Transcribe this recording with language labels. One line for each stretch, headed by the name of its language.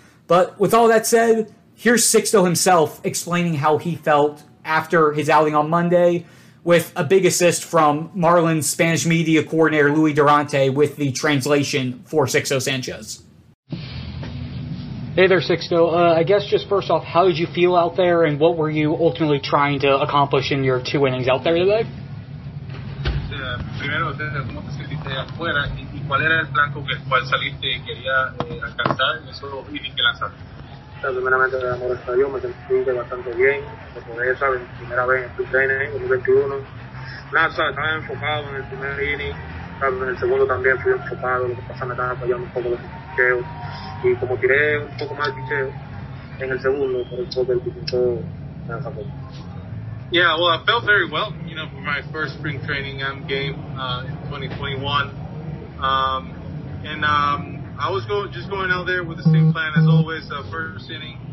English: But with all that said, here's Sixto himself explaining how he felt after his outing on Monday, with a big assist from Marlins Spanish media coordinator Luis Durante with the translation for Sixto Sanchez. Hey there, Sixto. I guess just first off, how did you feel out there, and what were you ultimately trying to accomplish in your two innings out there today? So
Spanish: primero desde cómo te sentiste afuera y cuál era el plan con el cual saliste y quería alcanzar en esos innings que lanzaste. Primeramente, de amor a Dios, me sentí bastante bien. Lo por eso, primera vez en el training, en 2021. Nada, estaba enfocado en el primer inning. En el segundo también fui enfocado. Lo que pasa, me estaba fallando un poco de picheo. Y como tiré un poco más de picheo en el segundo, por el choque del picheo, me lanzó poco.
English: Yeah, well, I felt very well, you know, for my first spring training game in 2021. I was going out there with the same plan as always, first inning.